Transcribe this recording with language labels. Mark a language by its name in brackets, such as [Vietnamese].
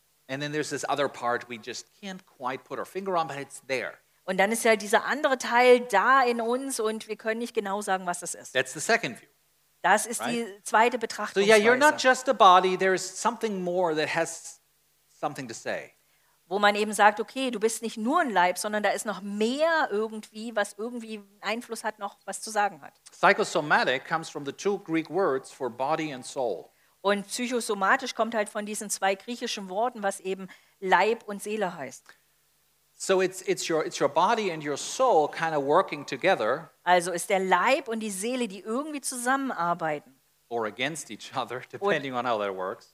[English] And then there's this other part we just can't quite put our finger on, but it's there. [German] Und dann ist halt dieser andere Teil da in uns und wir können nicht genau sagen, was das ist. [English] That's the second view. [German] Das ist [English] right? [German] Die zweite Betrachtungsweise. [English] So yeah, you're not just a body, there is something more that has something to say. [German] Wo man eben sagt, okay, du bist nicht nur ein Leib, sondern da ist noch mehr irgendwie, was irgendwie Einfluss hat, noch was zu sagen hat. [English] Psychosomatic comes from the two Greek words for body and soul. [German] Und psychosomatisch kommt halt von diesen zwei griechischen Worten, was eben Leib und Seele heißt. [English] So it's your body and your soul kind of working together. [German] Also ist der Leib und die Seele, die irgendwie zusammenarbeiten. [English] Or against each other, depending on how that works.